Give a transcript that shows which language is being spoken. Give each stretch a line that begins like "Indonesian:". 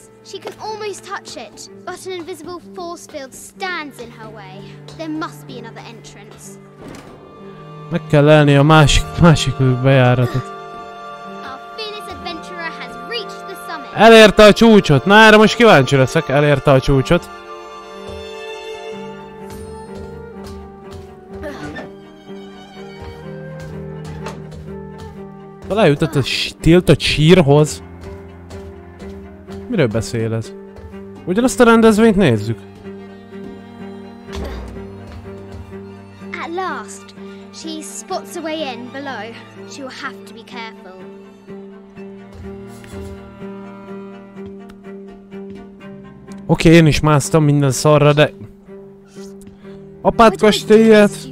English: She can almost touch it, but an invisible force field stands in her way. There must be another entrance.
Hungarian: Meg kell lenni a másik bejáratot.
English: Our fearless adventurer has reached the summit.
Hungarian: Elérte a csúcsot. Na erre most kíváncsi leszek. Elérte a csúcsot. Lejutott a tiltott sírhoz. Miről beszél ez? Ugyanazt a rendezvényt nézzük.
English: At last, she spots a way in below. She will have to be careful.
Hungarian: Oké, okay, én is másztam minden szarra, de... Apád kastélyet...